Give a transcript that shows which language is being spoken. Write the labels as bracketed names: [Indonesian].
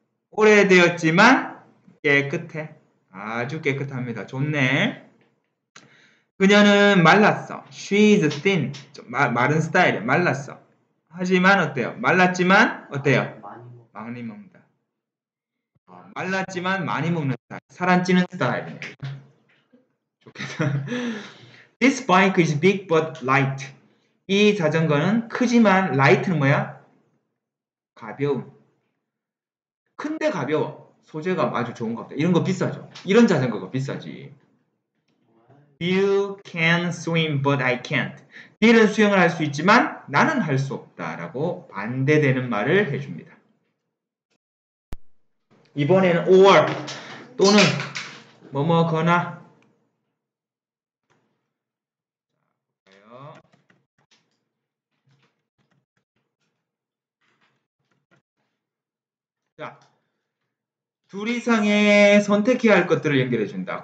[Korean] 오래되었지만 깨끗해. 아주 깨끗합니다. 좋네. 그녀는 말랐어. [English] She is thin. [Korean] 좀 마른 스타일이야. 말랐어. 하지만 어때요? 말랐지만 어때요? 많이 먹는다. 말랐지만 많이 먹는 스타일. 살안 찌는 스타일이네. 좋겠다. [English] This bike is big but light. [Korean] 이 자전거는 크지만 light는 뭐야? 가벼운. 큰데 가벼워. 소재가 아주 좋은 것 같아. 이런 거 비싸죠. 이런 자전거가 비싸지. [English] You can swim, but I can't. [Korean] B는 수영을 할 수 있지만 나는 할 수 없다라고 반대되는 말을 해줍니다. 이번에는 or 또는 뭐뭐거나 자, 둘 이상의 선택해야 할 것들을 연결해 준다.